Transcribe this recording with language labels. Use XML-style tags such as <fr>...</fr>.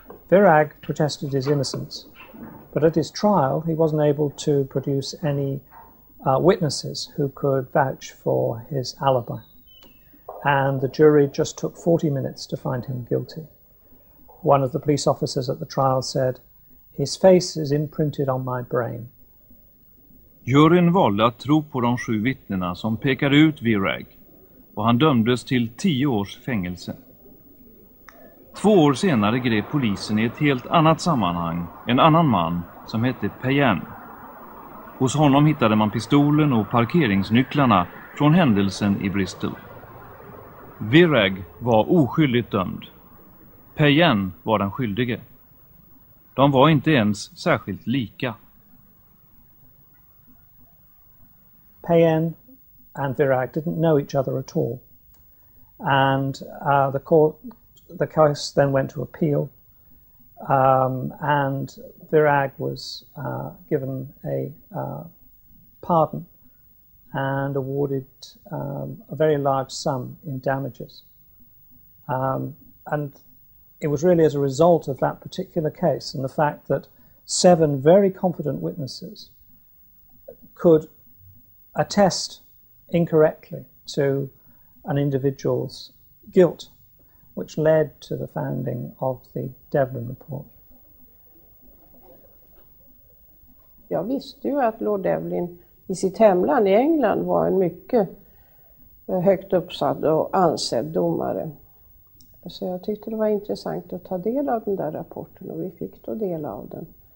<en>Virág protested his innocence, but at his trial he wasn't able to produce any witnesses who could vouch for his alibi. And the jury just took 40 minutes to find him guilty. One of the police officers at the trial said, "His face is imprinted on my brain."</en> <sv>Juryn valde att tro på de sju vittnena som pekade ut Virág, och han dömdes till 10 års fängelse. 2 år senare grep polisen i ett helt annat sammanhang en annan man som hette Payen. Hos honom hittade man pistolen och parkeringsnycklarna från händelsen i Bristol. Virág var oskyldigt dömd. Payen var den skyldige. De var inte ens särskilt lika.</sv> <en>Payen and Virág didn't know each other at all. And the case then went to appeal. And Virág was given a pardon and awarded a very large sum in damages. And it was really as a result of that particular case and the fact that 7 very confident witnesses could attest incorrectly to an individual's guilt, which led to the founding of the Devlin report.</en> <sv>Jag visste ju att Lord Devlin i sitt hemland i England var en mycket högt uppsatt och ansedd domare. Så jag tyckte det var intressant att ta del av den där rapporten, och vi fick då del av den.</sv>